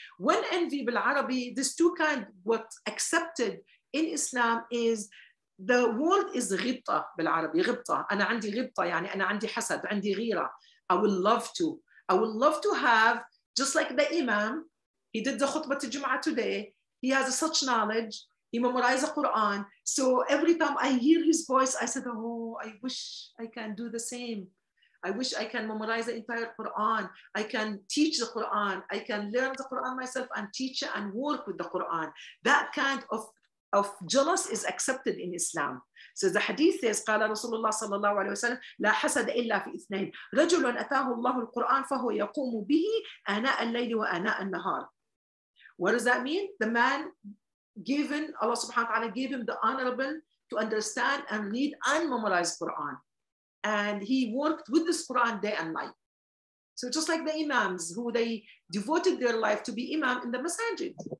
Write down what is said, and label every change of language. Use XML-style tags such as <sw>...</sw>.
<en>One envy</en> <ar>bil Arabi,</ar> <en>this two kind what accepted in Islam is the word is ghibta bil Arabi, ghibta.</en> <ar>أنا عندي غبطة يعني أنا عندي حسد عندي غيرة.</ar> <en>I would love to have, just like the Imam, he did the khutbah to Jum'ah today. He has such knowledge. He memorized the Quran. So every time I hear his voice, I said, oh, I wish I can do the same. I wish I can memorize the entire Quran. I can teach the Quran. I can learn the Quran myself and teach it and work with the Quran. That kind of jealous is accepted in Islam. So the hadith says,</en> <ar>قال رسول الله صلى الله عليه وسلم لا حسد إلا في اثنين رجل أتاه الله القرآن فهو يقوم به آناء الليل وآناء النهار.</ar> <en>What does that mean? The man given, Allah subhanahu wa ta'ala gave him the honorable to understand and read and memorize Quran. And he worked with this Quran day and night. So just like the imams who they devoted their life to be imam in the masjid.</en>